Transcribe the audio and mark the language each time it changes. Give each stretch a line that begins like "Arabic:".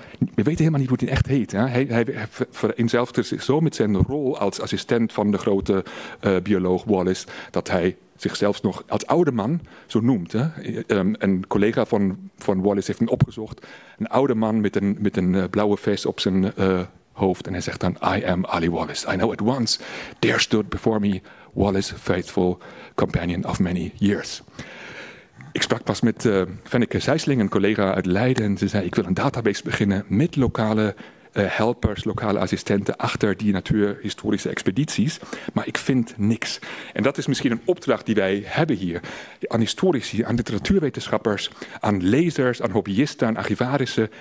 Dutch: We weten helemaal niet hoe hij echt heet. Hè. Hij vereenzelfde zich zo met zijn rol als assistent van de grote bioloog Wallace, dat hij zichzelf nog als oude man zo noemt. Hè. Een collega van Wallace heeft hem opgezocht. Een oude man met een blauwe vest op zijn hoofd. En hij zegt dan,
English: I am Ali Wallace. I know at once, there stood before me Wallace, faithful companion of many years.
Dutch: Ik sprak pas met Fenneke Zijsling, een collega uit Leiden. Ze zei, ik wil een database beginnen met lokale helpers, lokale assistenten achter die natuurhistorische expedities. Maar ik vind niks. En dat is misschien een opdracht die wij hebben hier. Aan historici, aan literatuurwetenschappers, aan lezers, aan hobbyisten, aan archivarissen.